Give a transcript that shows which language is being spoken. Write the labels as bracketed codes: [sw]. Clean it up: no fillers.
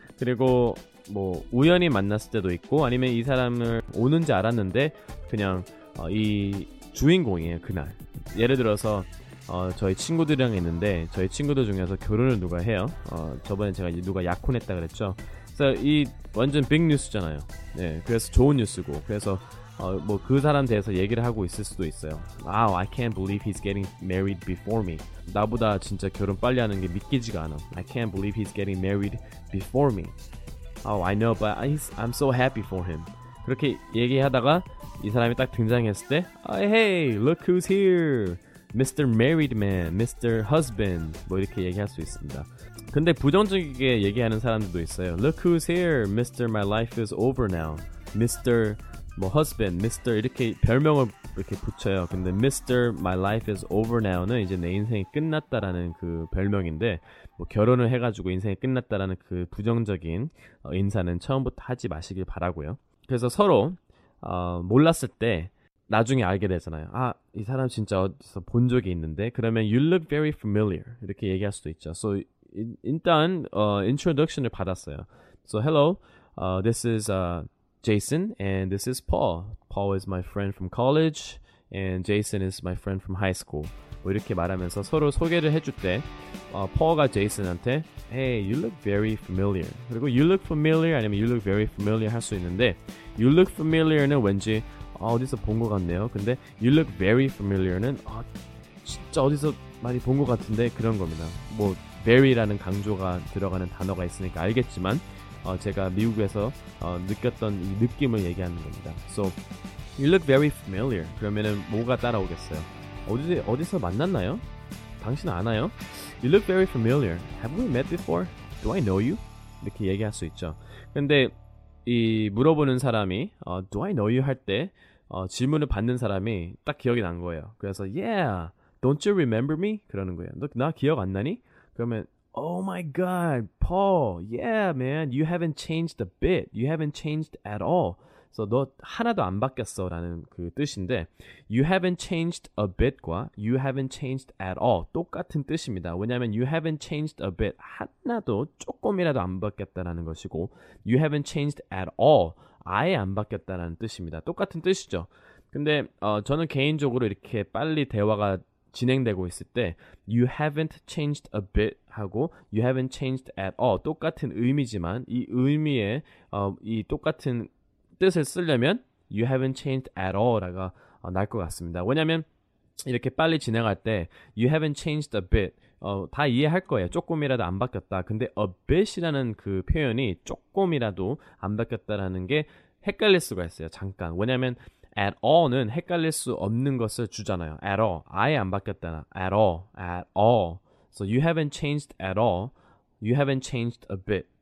[ko] 그리고 뭐 우연히 만났을 때도 있고, 아니면 이 사람을 오는지 알았는데 그냥 이 주인공이에요 그날. 예를 들어서 저희 친구들이랑 있는데 저희 친구들 중에서 결혼을 누가 해요. 저번에 제가 누가 약혼했다 그랬죠. 그래서 이 완전 빅 뉴스잖아요. 네, 그래서 좋은 뉴스고, 그래서 뭐 그 사람 대해서 얘기를 하고 있을 수도 있어요. [en] Wow, I can't believe he's getting married before me. [ko] 나보다 진짜 결혼 빨리 하는 게 믿기지가 않아. [en] I can't believe he's getting married before me. Oh, I know, but I'm so happy for him. [ko] 그렇게 얘기하다가 이 사람이 딱 등장했을 때 [en] Hey, look who's here. Mr. Married Man, Mr. [ko] Husband 뭐 이렇게 얘기할 수 있습니다. 근데 부정적이게 얘기하는 사람들도 있어요. [en] Look who's here, Mr. My life is over now. Mr. 뭐 Husband, Mr. [ko] 이렇게 별명을 이렇게 붙여요. 근데 Mr. [en] My life is over now [ko] 는 이제 내 인생이 끝났다라는 그 별명인데, 뭐 결혼을 해가지고 인생이 끝났다라는 그 부정적인 인사는 처음부터 하지 마시길 바라고요. 그래서 서로 몰랐을 때 나중에 알게 되잖아요. 아, 이 사람 진짜 어디서 본 적이 있는데? 그러면 [en] You look very familiar. [ko] 이렇게 얘기할 수도 있죠. So, 일단 introduction을 받았어요. [en] So, hello. This is Jason and this is Paul. Paul is my friend from college and Jason is my friend from high school. [ko] 뭐 이렇게 말하면서 서로 소개를 해줄 때 Paul가 Jason한테 [en] Hey, you look very familiar. [ko] 그리고 You look familiar 아니면 [en] You look very familiar [ko] 할 수 있는데 You look familiar는 왠지 어디서 본 것 같네요. 근데 [en] You look very familiar [ko] 는 진짜 어디서 많이 본 것 같은데 그런 겁니다. 뭐 very라는 강조가 들어가는 단어가 있으니까 알겠지만 제가 미국에서 느꼈던 이 느낌을 얘기하는 겁니다. [en] So You look very familiar. [ko] 그러면은 뭐가 따라오겠어요? 어디서 만났나요? 당신 아나요? [en] You look very familiar. Have we met before? Do I know you? [ko] 이렇게 얘기할 수 있죠. 근데 이 물어보는 사람이 [en] Do I know you? [ko] 할 때 질문을 받는 사람이 딱 기억이 난 거예요. 그래서 [en] Yeah, don't you remember me? [ko] 그러는 거예요. 너 나 기억 안 나니? 그러면 [en] Oh my god, Paul. Yeah, man. You haven't changed a bit. You haven't changed at all. So [ko] 너 하나도 안 바뀌었어 라는 그 뜻인데 [en] You haven't changed a bit과 You haven't changed at all [ko] 똑같은 뜻입니다. 왜냐하면 [en] You haven't changed a bit [ko] 하나도 조금이라도 안 바뀌었다라는 것이고 [en] You haven't changed at all [ko] 아예 안 바뀌었다라는 뜻입니다. 똑같은 뜻이죠. 근데 저는 개인적으로 이렇게 빨리 대화가 진행되고 있을 때 [en] You haven't changed a bit [ko] 하고 [en] You haven't changed at all [ko] 똑같은 의미지만 이 의미에 이 똑같은 뜻을 쓰려면 You haven't changed at all라가 날 것 같습니다. 왜냐하면 이렇게 빨리 진행할 때 [en] You haven't changed a bit [ko] 다 이해할 거예요. 조금이라도 안 바뀌었다. 근데 a bit이라는 그 표현이 조금이라도 안 바뀌었다라는 게 헷갈릴 수가 있어요. 잠깐. 왜냐하면 at all는 헷갈릴 수 없는 것을 주잖아요. [en] at all. [ko] 아예 안 바뀌었다. [en] at all. at all. So You haven't changed at all. You haven't changed a bit.